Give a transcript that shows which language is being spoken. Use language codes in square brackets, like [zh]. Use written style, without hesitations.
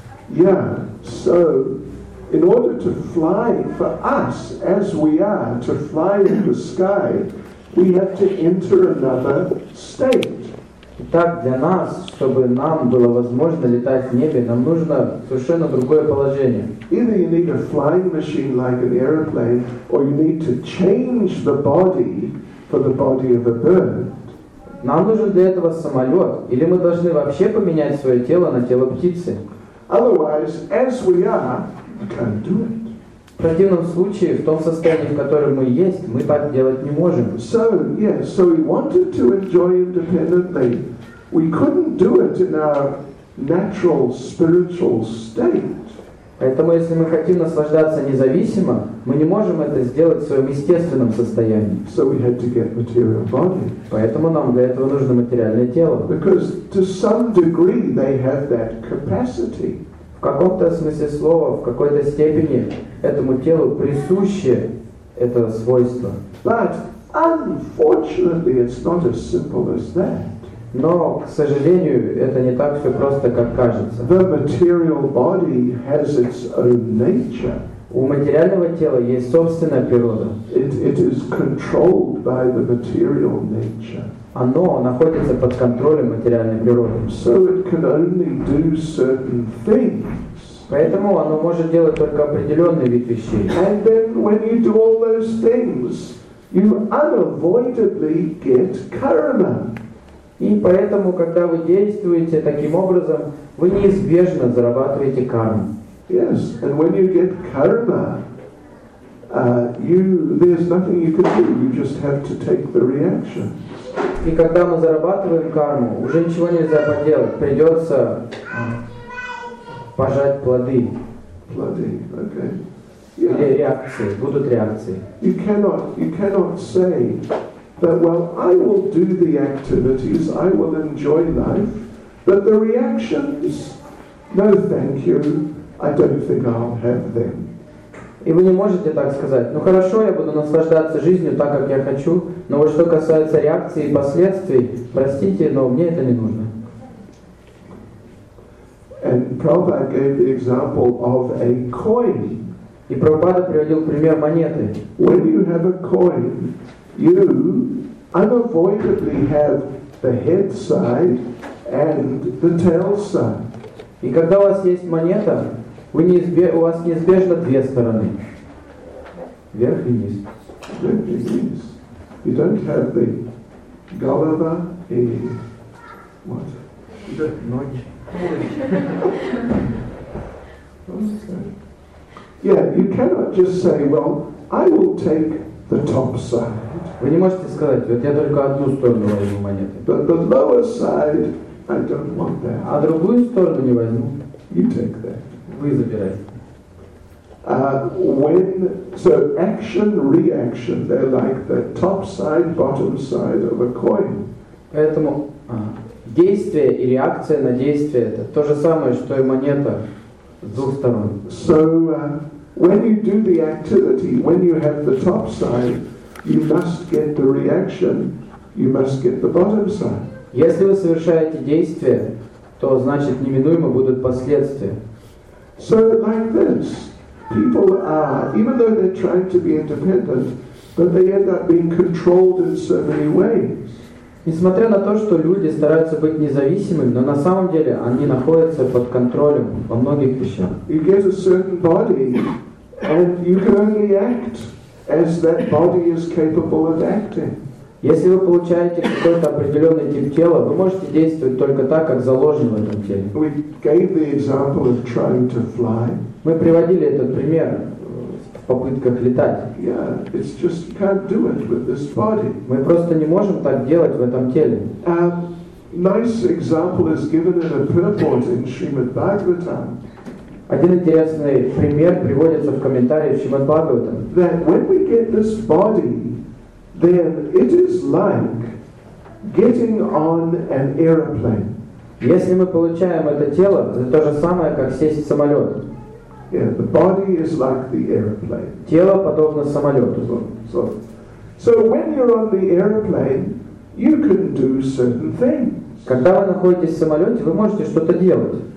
[en] Yeah, so in order to fly for us as we are, to fly in the sky, we have to enter another state. [ru] Итак, для нас, чтобы нам было возможно летать в небе, нам нужно совершенно другое положение. [en] Either you need a flying machine like an airplane, or you need to change the body for the body of a bird. [ru] Нам нужен для этого самолет, или мы должны вообще поменять свое тело на тело птицы. [en] Otherwise, as we are, we can't do it. [ru] В противном случае, в том состоянии, в котором мы есть, мы так делать не можем. [en] So, yes, so we wanted to enjoy independently. We couldn't do it in our natural spiritual state. [ru] Поэтому, если мы хотим наслаждаться независимо, мы не можем это сделать в своем естественном состоянии. [en] So we had to get material body. [ru] Поэтому нам для этого нужно материальное тело. [en] Because to some degree they have that capacity. [ru] В каком-то смысле слова, в какой-то степени этому телу присуще это свойство. [en] But unfortunately, it's not as simple as that. [ru] Но, к сожалению, это не так все просто, как кажется. [en] The material body has its own nature. [ru] У материального тела есть собственная природа. [en] It is controlled by the material nature. [ru] Оно находится под контролем материальной природы. [en] So it can only do certain things. [ru] Поэтому оно может делать только определенный вид вещей. [en] And then when you do all those things, you unavoidably get karma. [ru] И поэтому, когда вы действуете таким образом, вы неизбежно зарабатываете карму. [en] Yes, and when you get karma, there's nothing you can do. You just have to take the reaction. [ru] И когда мы зарабатываем карму, уже ничего нельзя поделать. Придется пожать плоды. Плоды, okay. [en] Yeah. [ru] Или реакции, будут реакции. [en] You cannot say that, well, I will do the activities, I will enjoy life, but the reactions, no thank you, I don't think I'll have them. [ru] И вы не можете так сказать, ну хорошо, я буду наслаждаться жизнью так, как я хочу, но вот что касается реакции и последствий, простите, но мне это не нужно. [en] And Prabhupada gave the example of a coin. [ru] И Прабхупада приводил пример монеты. [en] When you have a coin, you unavoidably have the head side and the tail side. [ru] И когда у вас есть монета, вы у вас неизбежно две стороны. Верх и низ. Верх и низ. [en] You don't have the [ru] голова и... [en] What? [ru] Ночь. [en] Yeah, you cannot just say, well, I will take the top side. [ru] Вы не можете сказать, вот я только одну сторону возьму монеты. [en] But the lower side, I don't want that. [ru] А другую сторону не возьму. [en] You take that. [ru] Вы забираете. [en] When so action reaction, they're like the top side, bottom side of a coin. [ru] Поэтому действие и реакция на действие это то же самое, что и монета с двух сторон. [en] So when you do the activity, when you have the top side, you must get the reaction, you must get the bottom side. [ru] Если вы совершаете действие, то значит неминуемо будут последствия. [en] So like this. People are, even though they're trying to be independent, but they end up being controlled in so many ways. [ru] Несмотря на то, что люди стараются быть независимыми, но на самом деле они находятся под контролем во многих вещах. [en] You get a certain body, and you can only act as that body is capable of acting. [ru] Если вы получаете какой-то определенный тип тела, вы можете действовать только так, как заложен в этом теле. [en] We gave the example of trying to fly. [ru] Мы приводили этот пример в попытках летать. [en] Yeah, it's just you can't do it with this body. [ru] Мы просто не можем так делать в этом теле. [en] A nice example is given in a purport in Srimad Bhagavatam. [ru] Один интересный пример приводится в комментариях Шримад Бхагаватам. [en] That when we get this body, then it is like getting on an airplane. [ru] Если мы получаем это тело, это то же самое, как сесть в самолет. [en] Yeah, the body is like the airplane. [ru] Тело подобно самолету. [en] So when you're on the airplane, you can do certain things. [ru] Когда вы находитесь в самолете, вы можете что-то делать.